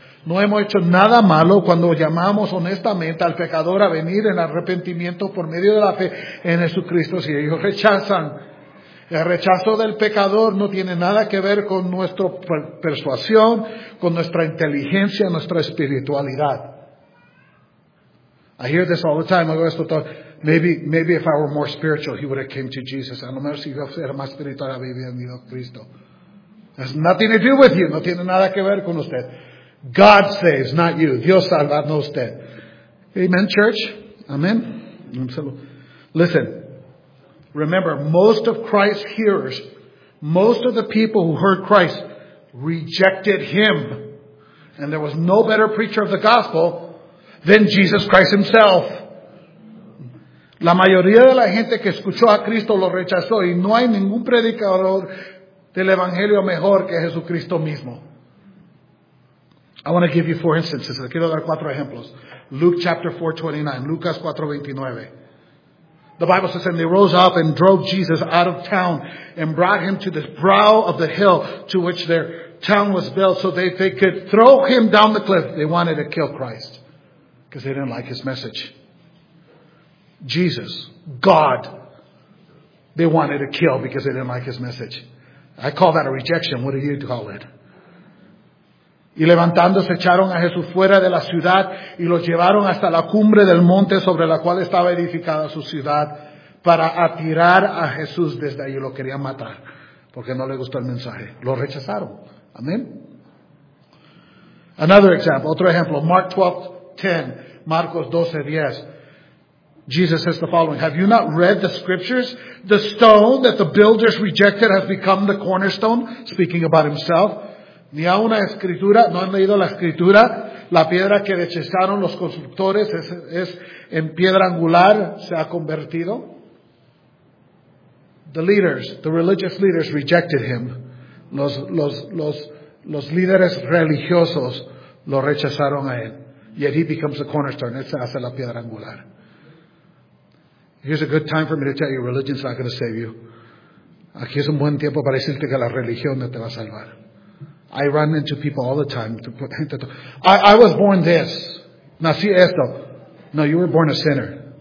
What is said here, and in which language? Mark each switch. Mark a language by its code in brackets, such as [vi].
[es] No hemos hecho nada malo cuando llamamos honestamente al pecador a venir en arrepentimiento por medio de la fe en Jesucristo. Si ellos rechazan, el rechazo del pecador no tiene nada que ver con nuestra persuasión, con nuestra inteligencia, nuestra espiritualidad. [en] I hear this all the time. I go, maybe if I were more spiritual, he would have came to Jesus. [es] A lo mejor si yo fuera más espiritual, habría venido a Cristo. [en] Has nothing to do with you. [es] No tiene nada que ver con usted. [en] God saves, not you. [es] Dios salva, no usted. [en] Amen, church. Amen. Listen. Remember, most of Christ's hearers, most of the people who heard Christ, rejected him. And there was no better preacher of the gospel than Jesus Christ himself. [es] La mayoría de la gente que escuchó a Cristo lo rechazó, y no hay ningún predicador del evangelio mejor que Jesucristo mismo. [en] I want to give you four instances. [es] Le quiero dar cuatro ejemplos. [en] Luke chapter 4:29. Lucas 4:29. The Bible says, and they rose up and drove Jesus out of town and brought him to the brow of the hill to which their town was built so that they could throw him down the cliff. They wanted to kill Christ because they didn't like his message. Jesus, God, they wanted to kill because they didn't like his message. I call that a rejection. What do you call it? [es] Y levantándose echaron a Jesús fuera de la ciudad y lo llevaron hasta la cumbre del monte sobre la cual estaba edificada su ciudad para atirar a Jesús desde allí. Lo querían matar porque no le gustó el mensaje. Lo rechazaron. Amén. [en] Another example, [es] otro ejemplo, Mark 12:10, Marcos 12:10. [en] Jesus says the following, have you not read the scriptures? The stone that the builders rejected has become the cornerstone, speaking about himself. [es] Ni a una escritura, no han leído la escritura, la piedra que rechazaron los constructores es en piedra angular, se ha convertido. [en] The leaders, the religious leaders rejected him. [es] Los líderes religiosos lo rechazaron a él. [en] Yet he becomes the cornerstone, [es] él se hace la piedra angular. [en] Here's a good time for me to tell you religion's not going to save you. [es] Aquí es un buen tiempo para decirte que la religión no te va a salvar. [en] I run into people all the time. I was born this. [es] Nací esto. [en] No, you were born a sinner.